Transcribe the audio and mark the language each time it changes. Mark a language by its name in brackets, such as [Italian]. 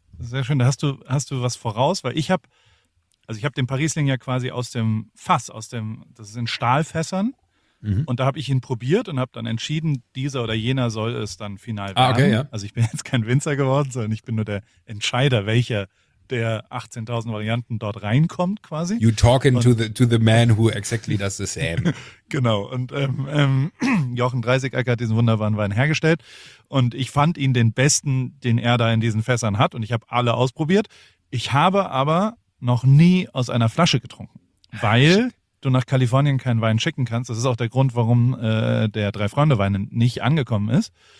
[German] Sehr schön, da hast du was voraus, weil ich habe den Parisling ja quasi aus dem Fass, das ist in Stahlfässern und da habe ich ihn probiert und habe dann entschieden, dieser oder jener soll es dann final werden. Ah, okay, ja. Also ich bin jetzt kein Winzer geworden, sondern ich bin nur der Entscheider, welcher der 18.000 Varianten dort reinkommt quasi. [English] You talking to the man who exactly does the same. [German] Genau, und Jochen Dreisigacker hat diesen wunderbaren Wein hergestellt und ich fand ihn den besten, den er da in diesen Fässern hat und ich habe alle ausprobiert. Ich habe aber noch nie aus einer Flasche getrunken, weil du nach Kalifornien keinen Wein schicken kannst. Das ist auch der Grund, warum der Drei-Freunde-Wein nicht angekommen ist.